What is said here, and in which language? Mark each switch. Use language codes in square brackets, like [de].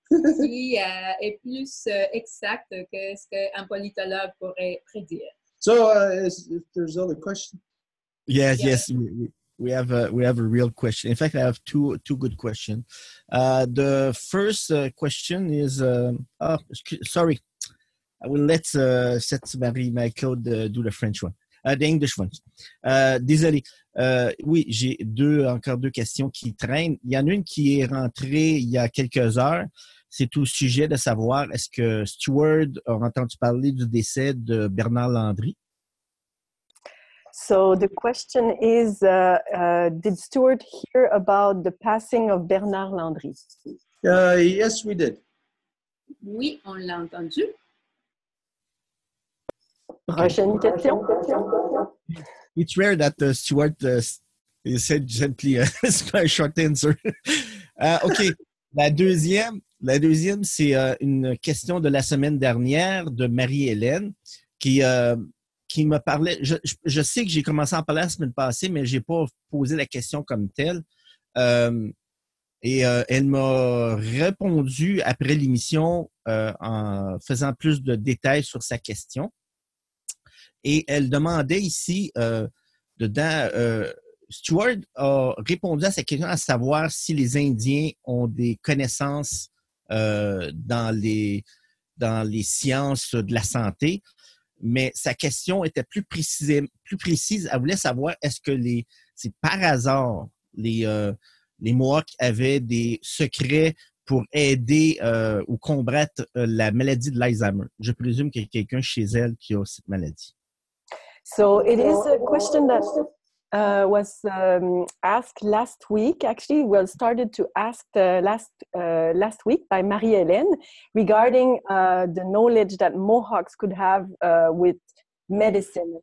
[fr] Est plus exact que ce qu'un politologue pourrait prédire. [en] So, if there's other questions. Yes. We have a real question. In fact, I have two good questions. The first question is, sorry, I will let Seth Marie Marie-Claude do the French one. The English ones. [fr] Désolé. Oui, j'ai encore deux questions qui traînent. Il y en a une qui est rentrée il y a quelques heures. C'est au sujet de savoir est-ce que Stewart a entendu parler du décès de Bernard Landry? [en] So the question is, did Stewart hear about the passing of Bernard Landry? Yes, we did. [fr] Oui, on l'a entendu. Prochaine question. [en] It's rare that Stuart said gently, it's my short answer. [fr] OK, la deuxième, c'est une question de la semaine dernière de Marie-Hélène qui me parlait. Je sais que j'ai commencé à en parler la semaine passée, mais je n'ai pas posé la question comme telle. Et elle m'a répondu après l'émission en faisant plus de détails sur sa question. Et elle demandait ici, Stewart a répondu à sa question à savoir si les Indiens ont des connaissances dans les sciences de la santé. Mais sa question était plus précise. Elle voulait savoir est-ce que c'est par hasard les Mohawks avaient des secrets pour aider ou combattre la maladie de l'Alzheimer. Je présume qu'il y a quelqu'un chez elle qui a cette maladie. [en] So it is a question that was asked last week. Actually, well, started to ask last week by Marie-Hélène regarding the knowledge that Mohawks could have with medicine.